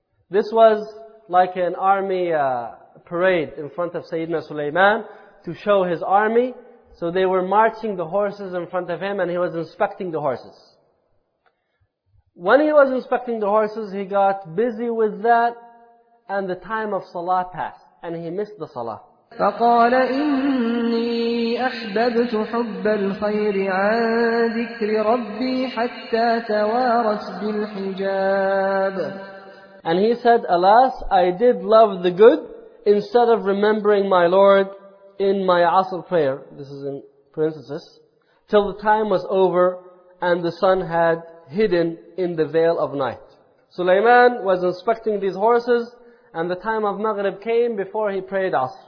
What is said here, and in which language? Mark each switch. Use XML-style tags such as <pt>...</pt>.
<en>This was like an army parade in front of Sayyidina Sulaiman to show his army. So they were marching the horses in front of him and he was inspecting the horses. When he was inspecting the horses, he got busy with that and the time of salah passed and he missed the salah.</en> <ar>فقال إني أحببت حب الخير عن ذكر ربي حتى توارت بالحجاب.</ar> <en>And he said, alas, I did love the good instead of remembering my Lord in my Asr prayer. This is in parentheses. Till the time was over and the sun had hidden in the veil of night. Sulaiman was inspecting these horses and the time of Maghrib came before he prayed Asr.</en>